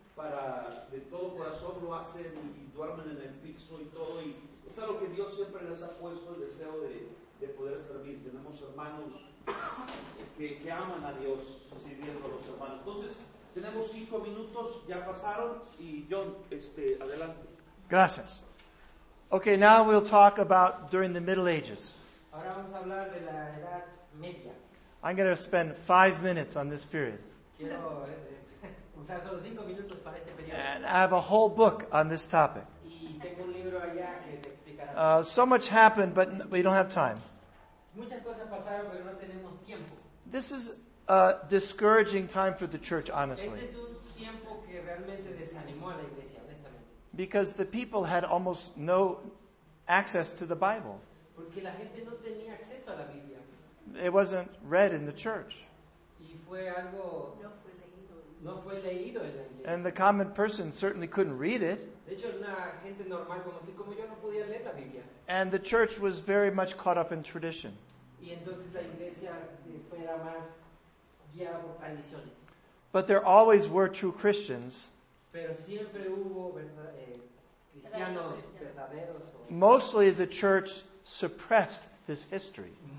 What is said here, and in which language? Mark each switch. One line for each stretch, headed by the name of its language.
Spanish: Para, de todo corazón lo hacen y duermen en el piso y todo, y es algo que Dios siempre les ha puesto el deseo de poder servir. Tenemos hermanos que aman a Dios sirviendo a los hermanos. Entonces, tenemos 5 minutos, ya pasaron, y John, adelante. Gracias.
English: Okay, now we'll talk about during the Middle Ages.
Spanish: Ahora vamos a hablar de la Edad Media.
English: I'm going to spend 5 minutes on this period.
Spanish: Quiero usar solo 5 minutos para este periodo.
English: And I have a whole book on this topic.
Spanish: Y tengo un libro allá que te explicará.
English: So much happened, but we don't have time.
Spanish: Muchas cosas pasaron, pero no tenemos tiempo.
English: This is a discouraging time for the church, honestly.
Spanish: Este es un tiempo que realmente desanimó a la iglesia.
English: Because the people had almost no access to the Bible.
Spanish: Porque la gente no tenía acceso a la Biblia.
English: It wasn't read in the church.
Spanish: Y fue algo, no fue leído en la iglesia.
English: And the common person certainly couldn't read it.
Spanish: De hecho, una gente normal como tú, como yo, no podía leer la Biblia.
English: And the church was very much caught up in tradition.
Spanish: Y entonces la iglesia fue más guiada por tradiciones.
English: But there always were true Christians.
Spanish: Pero siempre hubo cristianos verdaderos.
English: Mostly the church suppressed this history.